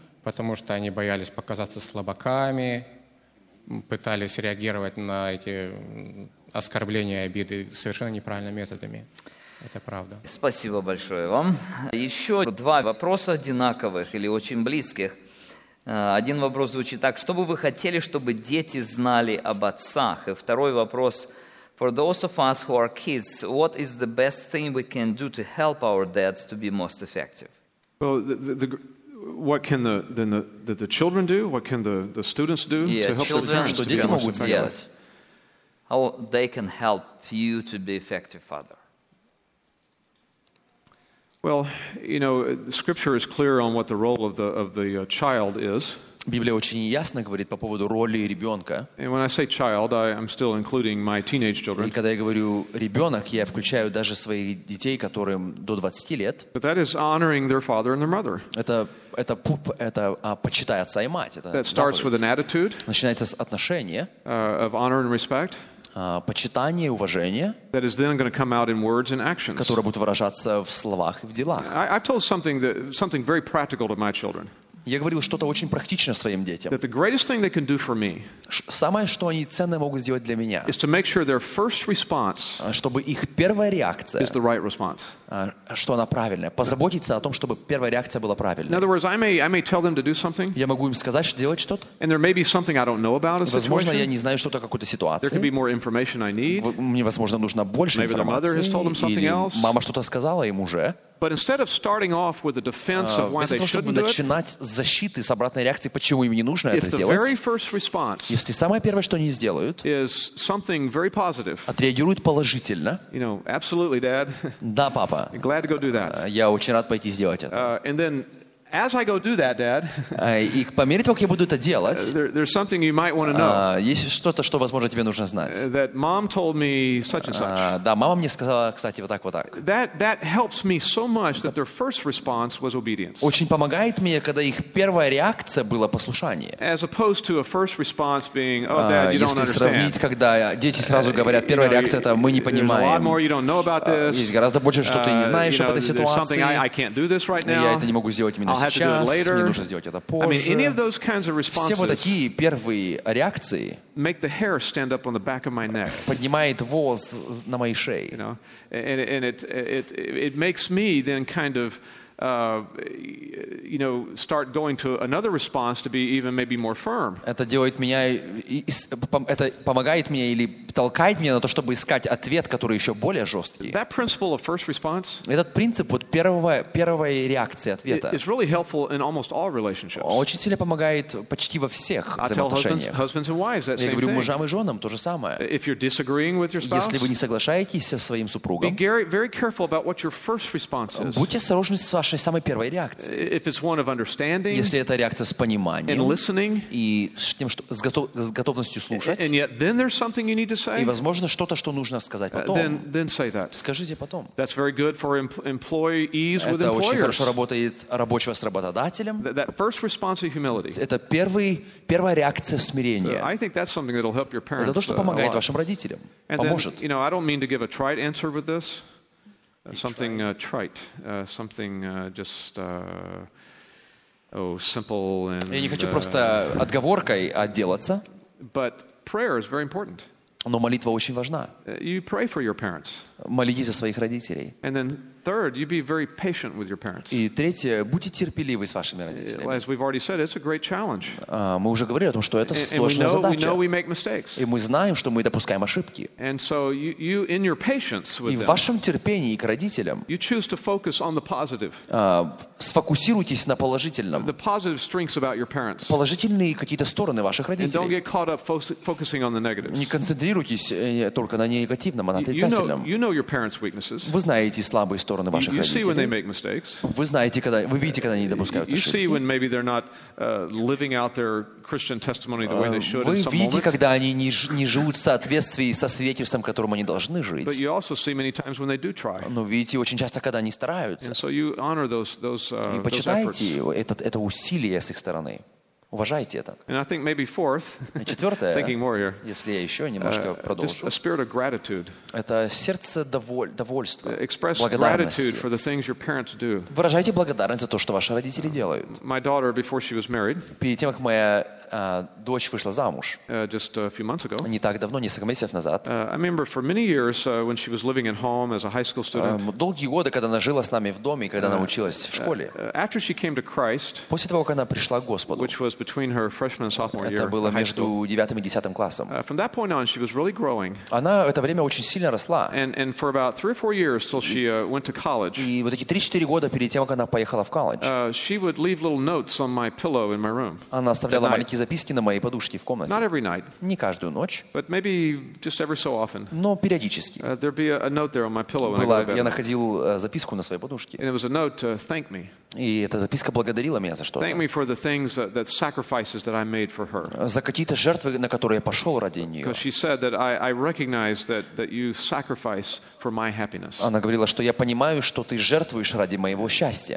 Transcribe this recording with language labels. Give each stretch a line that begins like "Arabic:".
Russian: Потому что они боялись показаться слабаками, пытались реагировать на эти оскорбления и обиды совершенно неправильными методами. Это правда. Спасибо большое вам. Еще два вопроса одинаковых или очень близких. Один вопрос звучит так: что бы вы хотели, чтобы дети знали об отцах? И второй вопрос:
English: for those of us who are kids, what is the best thing we can do to help our dads to be most effective? Well, what can the children do? What can the students do to help children, their parents to be most effective? How they can help you to be effective father? Well, you know, Scripture is clear on what the role of the child is.
Russian: Библия очень ясно говорит по поводу роли ребенка.
English: And when I say child, I'm still including my teenage children.
Russian: И когда я говорю ребенок, я включаю даже своих детей, которым до 20 лет.
English: But that is honoring their father and their mother. Это
Russian: почитай отца и мать. Это
English: that starts with an attitude.
Russian: Начинается с отношения.
English: Of honor and respect.
Russian: Почитание, уважение,
English: that is then going to come out in words and actions.
Russian: Которое будет выражаться в словах и в делах.
English: I've told something very practical to my children.
Russian: Я говорил что-то очень практичное своим детям.
English: That the greatest thing they can do for me,
Russian: самое, что они ценное могут сделать для меня,
English: is to make sure their first response,
Russian: чтобы их первая реакция,
English: is the right response,
Russian: что она правильная. Позаботиться о том, чтобы первая реакция была правильной.
English: In other words, I may tell them to do something,
Russian: я могу им сказать, что делать что-то.
English: And there may be something I don't know about a situation.
Russian: Возможно, я не знаю что-то о какой-то ситуации.
English: There could be more information I need.
Russian: Мне, возможно, нужно больше
English: Maybe
Russian: информации.
English: Maybe their mother has told them something else.
Russian: Мама что-то сказала им уже.
English: But instead of starting off with a defense of why they shouldn't do it,
Russian: начинать с защиты, с обратной реакции, почему им не нужно это сделать,
English: if the very first response,
Russian: если самое первое, что они сделают,
English: is something very positive,
Russian: отреагируют положительно,
English: you know, absolutely, Dad,
Russian: да, папа,
English: glad to go do that,
Russian: я очень рад пойти сделать это,
English: and then as I go do that, Dad,
Russian: и по мере того, как я буду это делать,
English: there's something you might want to know,
Russian: есть что-то, что, возможно, тебе нужно знать,
English: that Mom told me such and such.
Russian: Да, мама мне сказала, кстати, вот так вот так.
English: That helps me so much that their first response was obedience.
Russian: Очень помогает мне, когда их первая реакция была послушание.
English: As opposed to a first response being, oh, Dad, you don't understand.
Russian: Если сравнить, когда дети сразу говорят, первая реакция это мы не понимаем.
English: There's a lot more you don't know about this.
Russian: Есть гораздо больше, что ты не знаешь об этой ситуации.
English: There's something I can't do this right now.
Russian: Я это не могу сделать именно.
English: I'll have to do it later.
Russian: Мне нужно сделать это позже.
English: I mean, any of those kinds of responses,
Russian: все вот такие первые реакции,
English: make the hair stand up on the back of my neck.
Russian: Поднимает волос на моей шее.
English: You know, and it makes me then kind of, you know, start going to another response to be even maybe more firm.
Russian: Это делает меня, это помогает мне или толкает меня на то, чтобы искать ответ, который еще более жесткий.
English: That principle of first response,
Russian: этот принцип вот первой реакции ответа,
English: is really helpful in almost all relationships.
Russian: Очень сильно помогает почти во всех взаимоотношениях.
English: I tell husbands and wives that same thing.
Russian: Я говорю мужам и женам то же самое.
English: If you're disagreeing with your spouse,
Russian: если вы не соглашаетесь со своим супругом,
English: be very careful about what your first response is.
Russian: Будьте осторожны с вашей самой первой реакцией.
English: If it's one of understanding,
Russian: если это реакция с пониманием,
English: and listening,
Russian: и с готовностью слушать,
English: and yet then there's something you need to
Russian: и, возможно, что-то, что нужно сказать потом.
English: Then say that.
Russian: Скажите потом.
English: That's very good for employees with employers.
Russian: Это очень хорошо работает рабочего с работодателем.
English: That first response of humility.
Russian: Это первая реакция смирения.
English: So I think that's something that'll help your parents.
Russian: Это то, что помогает вашим родителям.
English: And
Russian: поможет.
English: Then, you know, I don't mean to give a trite answer with this. Something trite. Something just. Oh, simple and.
Russian: Я не хочу просто отговоркой отделаться.
English: But prayer is very important.
Russian: Но молитва очень важна.
English: You pray for your parents.
Russian: Молитесь за своих родителей.
English: And then third, you'd be very patient with your parents.
Russian: И третье, будьте терпеливы с вашими родителями.
English: As we've already said, it's a great challenge.
Russian: Мы уже говорили о том, что это сложная задача.
English: We know we make mistakes.
Russian: И мы знаем, что мы допускаем ошибки.
English: And so you in your patience with them.
Russian: И в вашем терпении к родителям.
English: You choose to focus on the positive.
Russian: Сфокусируйтесь на положительном.
English: The positive strengths about your parents.
Russian: Положительные какие-то стороны ваших родителей.
English: And don't get caught up focusing on the negatives.
Russian: Не концентрируйтесь только на негативном, а на отрицательном.
English: You know your parents' weaknesses.
Russian: Вы знаете слабые стороны ваших родителей.
English: You see when they make mistakes.
Russian: Вы знаете, когда вы видите, когда они допускают ошибки.
English: You see when maybe they're not living out their Christian testimony the way they should.
Russian: Вы видите, когда они не живут в соответствии со свидетельством, которым они должны жить.
English: But you also see many times when they do try.
Russian: Но видите очень часто, когда они стараются.
English: And so you honor those efforts.
Russian: И почитайте это усилие с их стороны. Уважайте это.
English: And I think maybe fourth.
Russian: Четвертое.
English: Thinking more here.
Russian: Если я еще немножко продолжу.
English: A spirit of gratitude.
Russian: Это сердце довольства.
English: Express gratitude for the things your parents do.
Russian: Выражайте благодарность за то, что ваши родители делают.
English: My daughter, before she was married.
Russian: Перед тем, как моя дочь вышла замуж.
English: Just a few months ago.
Russian: Не так давно, несколько месяцев назад.
English: I remember for many years when she was living at home as a high school student.
Russian: Долгие годы, когда она жила с нами в доме, когда она училась в школе.
English: After she came to Christ.
Russian: После того, как она пришла к Господу.
English: Which was between her freshman and sophomore year.
Russian: Это было между 9-м и 10-м классом.
English: From that point on, she was really growing.
Russian: Она это время очень сильно росла.
English: And for about 3 or 4 years till she went to college.
Russian: И вот эти 3-4 года перед тем, как она поехала в колледж.
English: She would leave little notes on my pillow in my room.
Russian: Она оставляла маленькие записки на моей подушке в комнате.
English: Not every night.
Russian: Не каждую ночь.
English: But maybe just every so often.
Russian: Но периодически.
English: There'd be a note there on my pillow when I go to bed.
Russian: Я находил записку на своей подушке.
English: And it was a note to thank me.
Russian: И эта записка благодарила меня за что-то.
English: Thank me for the things that sacrifices that I made for her.
Russian: За какие-то жертвы, на которые я пошел ради нее.
English: Because she said that I recognize that you sacrifice for my happiness.
Russian: Она говорила, что я понимаю, что ты жертвуешь ради моего счастья.